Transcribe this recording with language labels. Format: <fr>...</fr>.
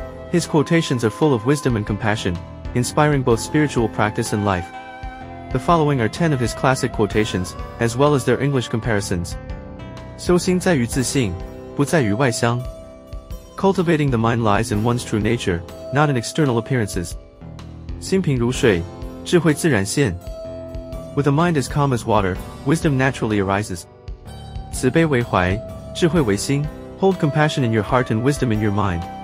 <en>His quotations are full of wisdom and compassion, inspiring both spiritual practice and life. The following are 10 of his classic quotations, as well as their English comparisons.</en> <zh>修心在于自信，不在于外相。</zh> <en>Cultivating the mind lies in one's true nature, not in external appearances.</en> <zh>心平如水，智慧自然现。</zh> <en>With a mind as calm as water, wisdom naturally arises.</en> <zh>慈悲为怀，智慧为心。</zh> <en>Hold compassion in your heart and wisdom in your mind.</en>